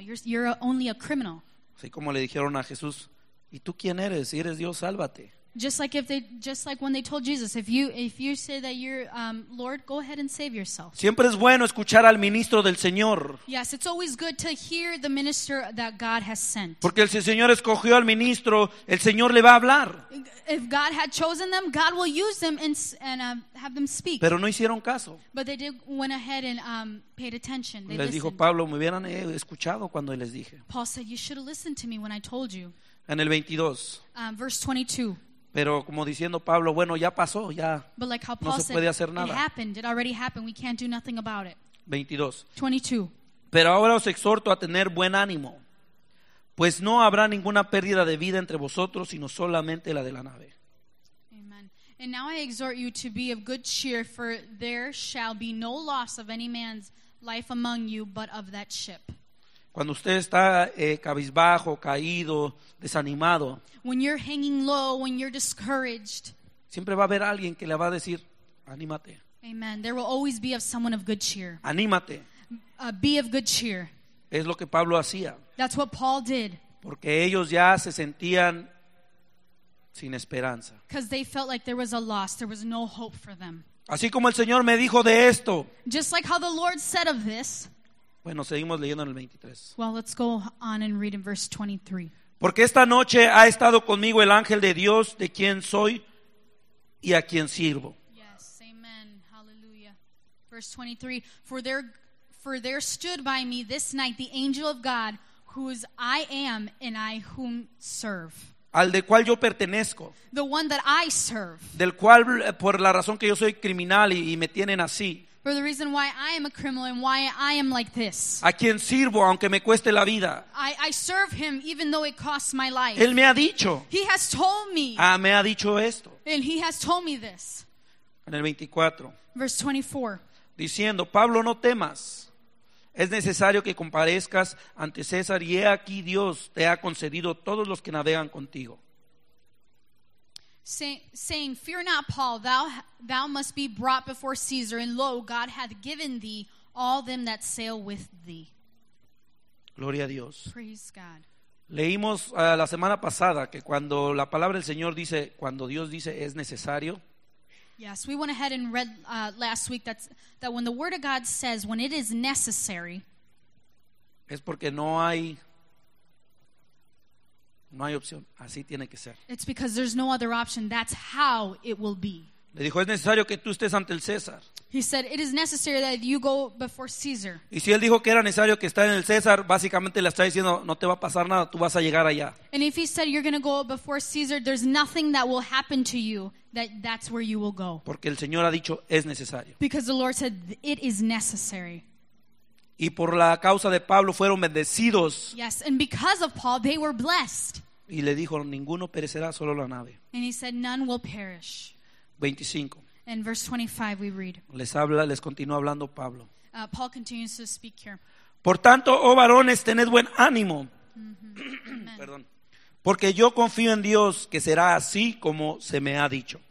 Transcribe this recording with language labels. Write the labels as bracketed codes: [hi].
[en] You're only a criminal. [es] Así como le dijeron a Jesús, ¿y tú quién eres? Si eres Dios, sálvate. [en] Just like when they told Jesus, if you say that you're Lord, go ahead and save yourself. [es] Siempre es bueno escuchar al ministro del Señor. [en] Yes, it's always good to hear the minister that God has sent. [es] Porque si el Señor escogió al ministro, el Señor le va a hablar. [en] If God had chosen them, God will use them and have them speak. [es] Pero no hicieron caso. [en] But they did went ahead and paid attention. [es] Les dijo Pablo, me hubieran escuchado cuando les dije. [en] Paul said, you should have listened to me when I told you. [es] En el 22. [en] Verse 22. [es] Pero como diciendo Pablo, bueno, ya pasó, ya [en] like [es] no se puede hacer nada. [en] It happened, it already happened, we can't do nothing about it. 22. [es] Pero ahora os exhorto a tener buen ánimo, pues no habrá ninguna pérdida de vida entre vosotros, sino solamente la de la nave. [en] Amen. And now I exhort you to be of good cheer, for there shall be no loss of any man's life among you, but of that ship. [es] Cuando usted está cabizbajo, caído, desanimado. [en] When you're hanging low, when you're discouraged. [es] Siempre va a haber alguien que le va a decir, anímate. [en] Amen. There will always be of someone of good cheer. [es] Anímate. [en] be of good cheer. [es] Es lo que Pablo hacía. [en] That's what Paul did. [es] Porque ellos ya se sentían sin esperanza. [en] Because they felt like there was a loss. There was no hope for them. [es] Así como el Señor me dijo de esto. [en] Just like how the Lord said of this. [es] Bueno, seguimos leyendo en el 23. [en] Well, let's go on and read in verse 23. [es] Porque esta noche ha estado conmigo el ángel de Dios, de quien soy y a quien sirvo. [en] Yes, amen. Hallelujah. Verse 23. For there stood by me this night the angel of God, whose I am and I whom serve. [es] Al de cual yo pertenezco. [en] The one that I serve. [es] Del cual, por la razón que yo soy criminal y me tienen así. [en] For the reason why I am a criminal and why I am like this. [es] A quien sirvo, aunque me cueste la vida. [en] I serve him even though it costs my life. [es] Él me ha dicho. [en] He has told me. [es] Ah, me ha dicho esto. [en] And he has told me this. [es] En el 24. [en] Verse 24. [es] Diciendo, Pablo, no temas. Es necesario que comparezcas ante César, y he aquí Dios te ha concedido todos los que navegan contigo. [en] Saying, fear not, Paul, thou must be brought before Caesar, and lo, God hath given thee all them that sail with thee. [es] Gloria a Dios. [en] Praise God. [es] Leímos la semana pasada que cuando la palabra del Señor dice, cuando Dios dice es necesario. [en] Yes, we went ahead and read last week that when the word of God says when it is necessary, [es] es porque no hay opción, así tiene que ser. [en] It's because there's no other option. That's how it will be. [es] Le dijo, es necesario que tú estés ante el César. [en] He said, it is necessary that you go before Caesar. [es] Y si él dijo que era necesario que estés en el César, básicamente le está diciendo, no te va a pasar nada, tú vas a llegar allá. [en] And if he said you're going to go before Caesar, there's nothing that will happen to you, that's where you will go. [es] Porque el Señor ha dicho, es necesario. [en] Because the Lord said, it is necessary. [es] Y por la causa de Pablo fueron bendecidos. [en] Yes, and because of Paul, they were blessed. [es] Y le dijo, ninguno perecerá, solo la nave. [en] And he said, none will perish. 25. In verse 25 we read. [es] Les continúa hablando Pablo. [en] Paul continues to speak here. [es] Por tanto, oh varones, tened buen ánimo. Perdón. Porque yo confío en Dios que será así como se me ha dicho.